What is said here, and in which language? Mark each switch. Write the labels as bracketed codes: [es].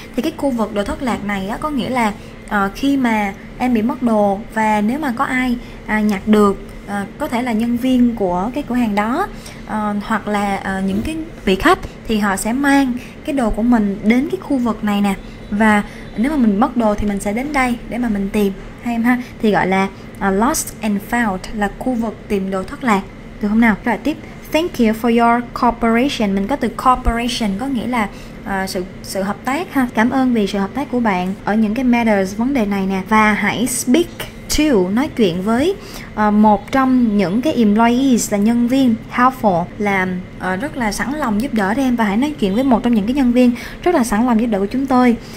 [vi] Thì cái khu vực đồ thất lạc này á, có nghĩa là khi mà em bị mất đồ và nếu mà có ai nhặt được, có thể là nhân viên của cái cửa hàng đó hoặc là những cái vị khách, thì họ sẽ mang cái đồ của mình đến cái khu vực này nè. Và nếu mà mình mất đồ thì mình sẽ đến đây để mà mình tìm, hay em ha. Thì gọi là lost and found, là khu vực tìm đồ thất lạc, được không nào? Rồi tiếp, [en] thank you for your cooperation. [vi] Mình có từ cooperation có nghĩa là sự hợp tác ha. Cảm ơn vì sự hợp tác của bạn ở những cái matters, vấn đề này nè. Và hãy [en] speak to, [vi] nói chuyện với một trong những cái employees, là nhân viên. Helpful là rất là sẵn lòng giúp đỡ em. Và hãy nói chuyện với một trong những cái nhân viên rất là sẵn lòng giúp đỡ của chúng tôi.